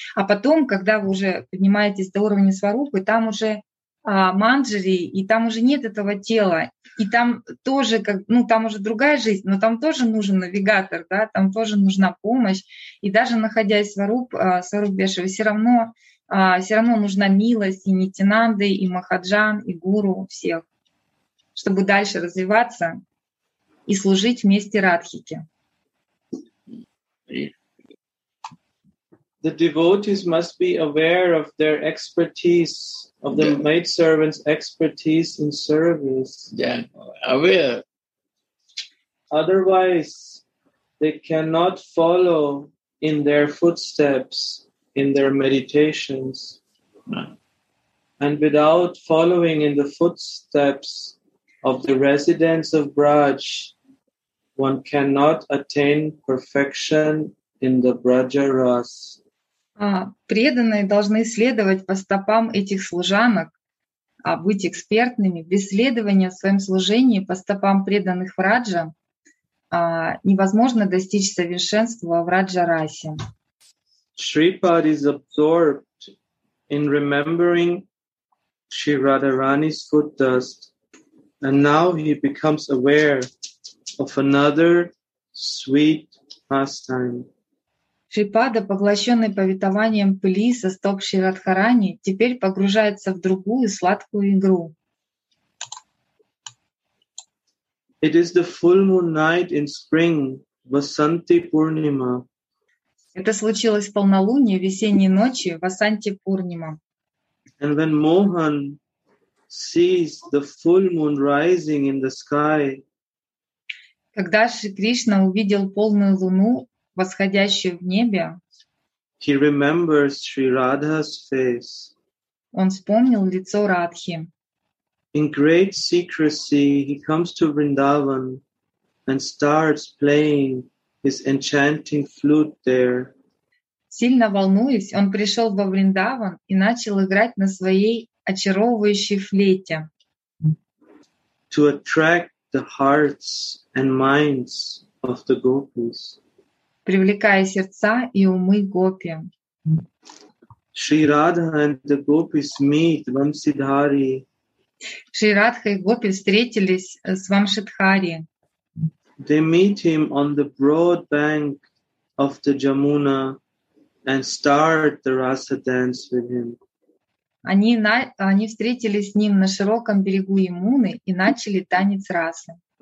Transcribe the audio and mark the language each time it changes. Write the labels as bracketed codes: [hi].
[ru] А потом, когда вы уже поднимаетесь до уровня сварупы, там уже Манджари, и там уже нет этого тела, и там тоже, как, ну, там уже другая жизнь, но там тоже нужен навигатор, да, там тоже нужна помощь, и даже находясь в Сварупе, все равно нужна милость и Нитинанды, и Махаджан, и Гуру, всех, чтобы дальше развиваться и служить вместе Радхике. [en] The devotees must be aware of their expertise, of the maidservant's expertise in service. Yeah, aware. Otherwise, they cannot follow in their footsteps, in their meditations. And without following in the footsteps of the residents of Braj, one cannot attain perfection in the Brajaras. [ru] Преданные должны следовать по стопам этих служанок, а быть экспертными. Без следования в своем служении по стопам преданных в Раджа невозможно достичь совершенства в Раджа-расе. [en] Shripad is absorbed in remembering Shri Radharani's foot dust, and now he becomes aware of another sweet pastime. [ru] Шрипада, поглощенный повествованием пыли со стоп Шри Радхарани, теперь погружается в другую сладкую игру. [en] It is the full moon night in spring, Vasanti Purnima. [ru] Это случилось в полнолуние весенней ночи Васанти Пурнима. [en] And when Mohan sees the full moon rising in the sky, [ru] когда Шри Кришна увидел полную луну, восходящую в небе, [en] he remembers Sri Radha's face. [ru] Он вспомнил лицо Радхи. [en] In great secrecy, he comes to Vrindavan and starts playing his enchanting flute there. [ru] Сильно волнуясь, он пришел во Вриндаван и начал играть на своей очаровывающей флейте. [en] To attract the hearts and minds of the gopis. [ru] Привлекая сердца и умы гопи. [en] Shri Radha and the gopis meet Vamsidhari. [ru] Shri Radha и гопи встретились с Вамшидхари. [en] They meet him on the broad bank of the Jamuna and start the rasa dance with him. [ru] Они встретились с ним на широком берегу Ямуны и начали танец расы.